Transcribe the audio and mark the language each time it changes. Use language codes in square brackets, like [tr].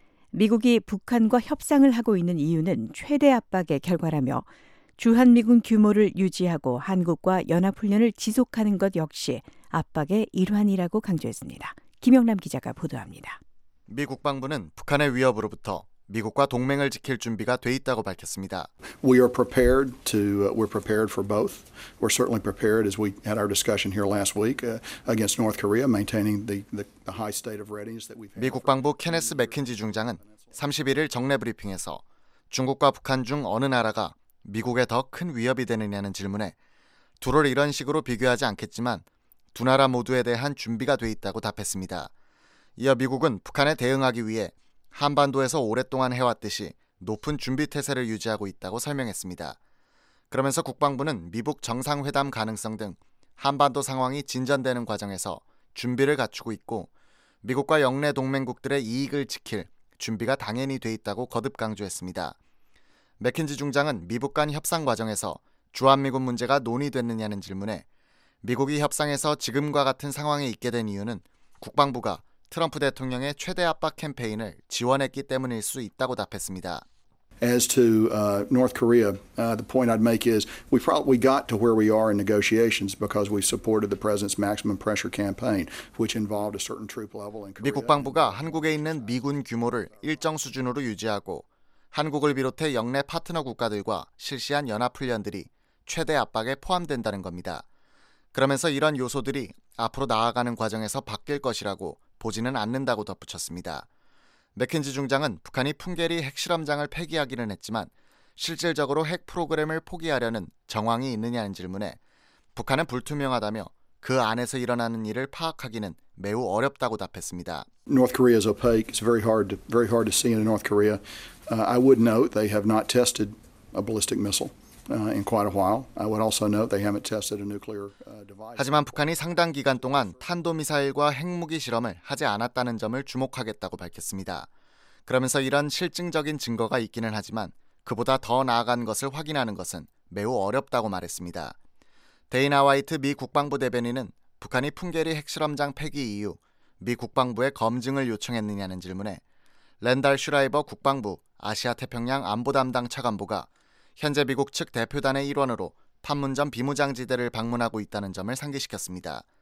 [ko] 미국이 북한과 협상을 하고 있는 이유는 최대 압박의 결과라며 주한미군 규모를 유지하고 한국과 연합훈련을 지속하는 것 역시 압박의 일환이라고 강조했습니다. 김영남 기자가 보도합니다. 미 국방부는 북한의 위협으로부터 미국과 동맹을 지킬 준비가 돼 있다고 밝혔습니다. [en] We are prepared to we're prepared for both. We're certainly prepared as we had our discussion here last week against North Korea maintaining the high state of readiness that we've had. [ko] 미 국방부 케네스 맥킨지 중장은 31일 정례 브리핑에서 중국과 북한 중 어느 나라가 미국에 더 큰 위협이 되느냐는 질문에 둘을 이런 식으로 비교하지 않겠지만 두 나라 모두에 대한 준비가 돼 있다고 답했습니다. 이어 미국은 북한에 대응하기 위해 한반도에서 오랫동안 해왔듯이 높은 준비태세를 유지하고 있다고 설명했습니다. 그러면서 국방부는 미북 정상회담 가능성 등 한반도 상황이 진전되는 과정에서 준비를 갖추고 있고 미국과 영내 동맹국들의 이익을 지킬 준비가 당연히 돼 있다고 거듭 강조했습니다. 맥킨지 중장은 미북 간 협상 과정에서 주한미군 문제가 논의됐느냐는 질문에 미국이 협상에서 지금과 같은 상황에 있게 된 이유는 국방부가 트럼프 대통령의 최대 압박 캠페인을 지원했기 때문일 수 있다고 답했습니다. [en] As to North Korea, the point I'd make is we got to where we are in negotiations because we supported the president's maximum pressure campaign, which involved a certain troop level in Korea. [ko] 미 국방부가 한국에 있는 미군 규모를 일정 수준으로 유지하고 한국을 비롯해 영내 파트너 국가들과 실시한 연합 훈련들이 최대 압박에 포함된다는 겁니다. 그러면서 이런 요소들이 앞으로 나아가는 과정에서 바뀔 것이라고 보지는 않는다고 덧붙였습니다. 맥킨지 중장은 북한이 풍계리 핵실험장을 폐기하기는 했지만 실질적으로 핵 프로그램을 포기하려는 정황이 있느냐는 질문에 북한은 불투명하다며 그 안에서 일어나는 일을 파악하기는 매우 어렵다고 답했습니다. [en] North Korea is opaque. It's very hard to see in North Korea. I would note they have not tested a ballistic missile. In quite a while. I would also note they haven't tested a nuclear device. [ko] 하지만 북한이 상당 기간 동안 탄도미사일과 핵무기 실험을 하지 않았다는 점을 주목하겠다고 밝혔습니다. 그러면서 이런 실증적인 증거가 있기는 하지만 그보다 더 나아간 것을 확인하는 것은 매우 어렵다고 말했습니다. 데이나 화이트 미 국방부 대변인은 북한이 풍계리 핵실험장 폐기 이후 미 국방부에 검증을 요청했느냐는 질문에 랜달 슈라이버 국방부 아시아태평양 안보 담당 차관보가 현재 미국 측 대표단의 일원으로 판문점 비무장지대를 방문하고 있다는 점을 상기시켰습니다.